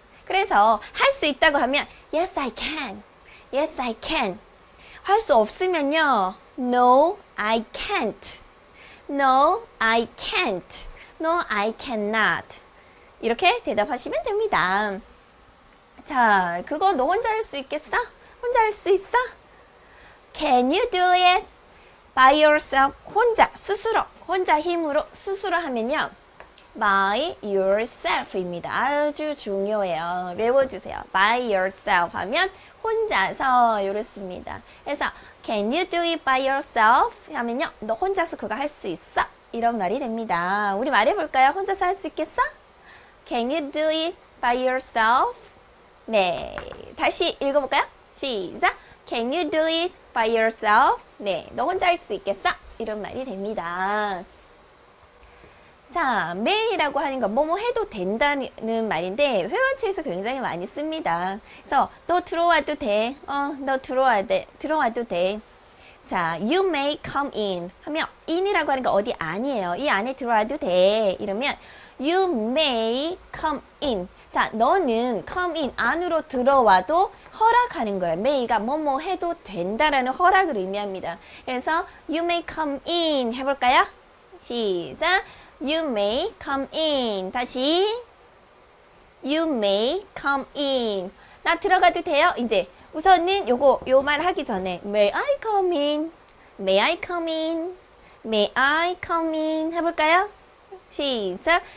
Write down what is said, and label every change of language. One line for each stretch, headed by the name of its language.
Korean: 그래서 할 수 있다고 하면
English: Yes, I can. Yes, I can.
Korean: 할 수 없으면요
English: No, I can't. No, I can't. No, I cannot.
Korean: 이렇게 대답하시면 됩니다. 자, 그거 너 혼자 할 수 있겠어? 혼자 할 수 있어?
English: Can you do it by yourself?
Korean: 혼자, 스스로, 혼자 힘으로, 스스로 하면요.
English: By yourself입니다.
Korean: 아주 중요해요. 외워주세요.
English: By yourself
Korean: 하면 혼자서 이렇습니다.
English: 그래서 Can you do it by yourself?
Korean: 하면요. 너 혼자서 그거 할 수 있어? 이런 말이 됩니다. 우리 말해볼까요? 혼자서 할 수 있겠어?
English: Can you do it by yourself?
Korean: 네, 다시 읽어볼까요? 시작!
English: Can you do it by yourself?
Korean: 네, 너 혼자 할 수 있겠어? 이런 말이 됩니다. 자, may라고 하는 건 뭐뭐 해도 된다는 말인데 회화체에서 굉장히 많이 씁니다. 그래서 너 들어와도 돼. 너 들어와도 돼. 자,
English: you may come in
Korean: 하면 in이라고 하는 건 어디 안이에요. 이 안에 들어와도 돼.
English: 이러면 you may come in.
Korean: 자, 너는 come in 안으로 들어와도 허락하는 거예요. may가 뭐뭐 해도 된다라는 허락을 의미합니다. 그래서
English: you may come in
Korean: 해볼까요?
English: 시작! You may come in.
Korean: 다시
English: You may come in.
Korean: 나 들어가도 돼요? 이제 우선은 요거 요말 하기 전에
English: May I come in? May I come in? May I come in?
Korean: 해볼까요? 시작.